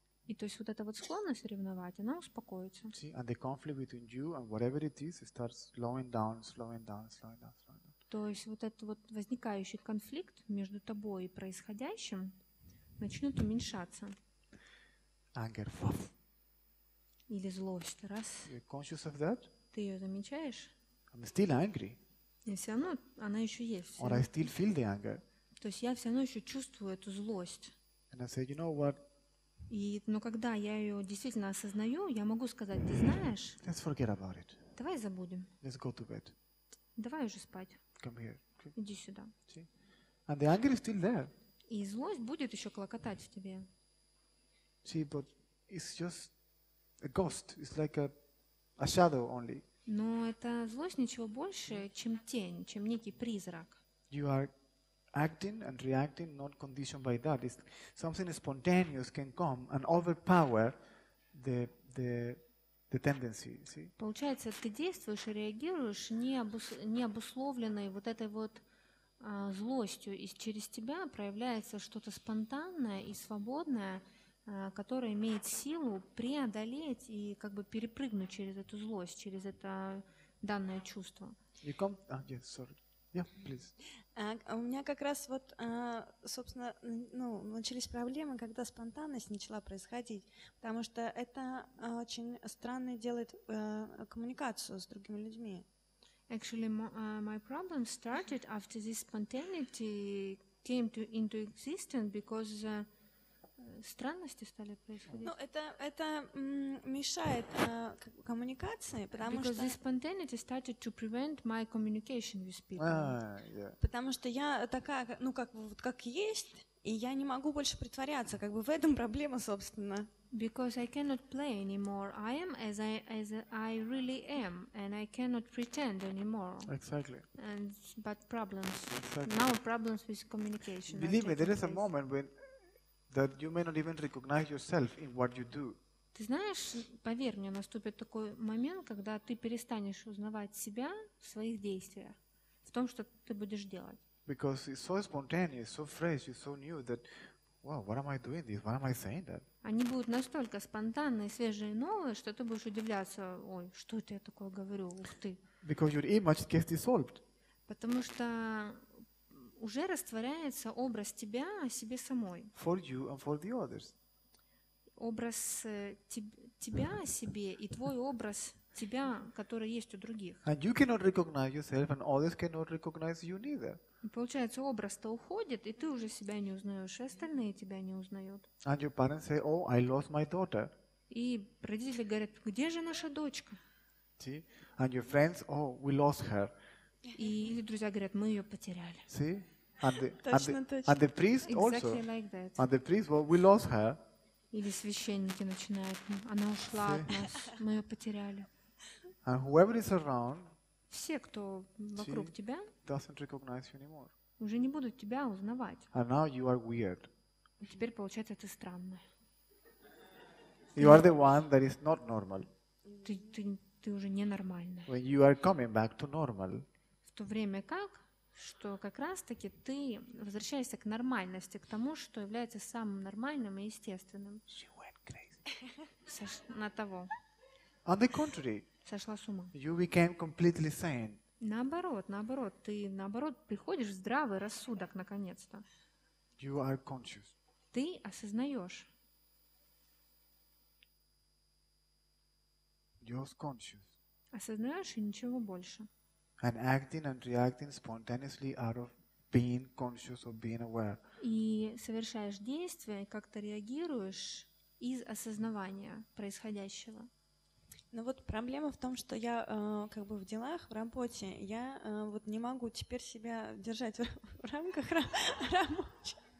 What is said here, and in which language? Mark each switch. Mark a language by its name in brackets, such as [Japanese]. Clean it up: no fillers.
[Russian] И то есть вот эта вот склонность соревновать, она успокоится. [English] See, and the conflict between you and whatever it is, it starts slowing down, slowing down, slowing down, slowing down. [Russian] То есть вот этот вот возникающий конфликт между тобой и происходящим начнет уменьшаться. [English] Anger, fuff. [Russian] Или злость, раз. [English] You're conscious of that? [Russian] Ты ее замечаешь? [English] I'm still angry. [Russian] И все равно она еще есть. [English] Or I still feel the anger. [Russian] То есть я все равно еще чувствую эту злость. [English] And I say, you know what? [Russian] Но когда я ее действительно осознаю, я могу сказать, ты знаешь, [English] let's forget about it. [Russian] Давай забудем. [English] Let's go to bed. [Russian] Давай уже спать. [English] Come here. Okay. [Russian] Иди сюда. [English] See? And the anger is still there. [Russian] И злость будет еще клокотать в тебе. [English] See, but it's just a ghost. It's like a shadow only. [Russian] Но это злость ничего больше, чем тень, чем некий призрак. [English] You are acting and reacting not conditioned by that. It's something spontaneous can come and overpower the tendency. See? [Russian] Получается, ты действуешь и реагируешь не обусловленной вот этой вот злостью, и через тебя проявляется что-то спонтанное и свободное, которое имеет силу преодолеть и как бы перепрыгнуть через эту злость, через это данное чувство. [English] You come? Oh, yes, sorry. Yeah, please. [Russian] У меня как раз вот, собственно, ну, начались проблемы, когда спонтанность начала происходить, потому что это очень странно делает коммуникацию с другими людьми. [English] Actually, my problem started after this spontaneity came into existence, because [Russian] странности стали происходить. Ну, это мешает коммуникации, потому [English] because [Russian] что... [English] Because this spontaneity started to prevent my communication with people. Yeah. [Russian] Потому что я такая, ну, как вот как есть, и я не могу больше притворяться, как бы в этом проблема, собственно. [English] Because I cannot play anymore. I am as I really am, and I cannot pretend anymore. Exactly. But problems. Exactly. Now problems with communication. Believe me, there is a moment when that you may not even recognize yourself in what you do. [Russian] Ты знаешь, поверь мне, наступит такой момент, когда ты перестанешь узнавать себя в своих действиях, в том, что ты будешь делать. [English] Because it's so spontaneous, so fresh, it's so new that, wow, what am I doing this? Why am I saying that? [Russian] Они будут настолько спонтанные, свежие, новые, что ты будешь удивляться, ой, что это я такое говорю, ух ты. [English] Because your image gets dissolved. [Russian] Потому что уже растворяется образ тебя о себе самой. [English] For you and for the others. [Russian] Образ тебя о себе и твой образ тебя, который есть у других. [English] And you cannot recognize yourself and others cannot recognize you neither. [Russian] Получается, образ-то уходит, и ты уже себя не узнаешь, и остальные тебя не узнают. [English] And your parents say, oh, I lost my daughter. [Russian] И родители говорят, где же наша дочка? [English] See? And your friends, oh, we lost her. [Russian] И друзья говорят, мы ее потеряли. [English] See? And the priest also. Exactly like that. And the priest, well, we lost her. [Russian] Или священники начинают, она ушла от нас, мы ее потеряли. [English] And whoever is around. [Russian] Все, кто вокруг тебя. [English] Doesn't recognize you anymore. [Russian] Уже не будут тебя узнавать. [English] And now you are weird. [Russian] И теперь получается, ты странная. [English] You are the one that is not normal. [Russian] Ты уже ненормальная. [English] When you are coming back to normal. [Russian] В то время как, что как раз-таки ты возвращаешься к нормальности, к тому, что является самым нормальным и естественным. [English] She went crazy. [Russian] На того. [English] On the contrary. [Russian] Сошла с ума. [English] You became completely sane. [Russian] Наоборот. Ты, наоборот, приходишь в здравый рассудок, наконец-то. [English] You are conscious. [Russian] Ты осознаешь. [English] You're conscious. [Russian] Осознаешь и ничего больше. [English] And acting and reacting spontaneously out of being conscious or being aware. [Russian] И совершаешь действия, как-то реагируешь из осознавания происходящего. Но вот проблема в том, что я как бы в делах, в работе, я вот не могу теперь себя держать в рамках рабочего.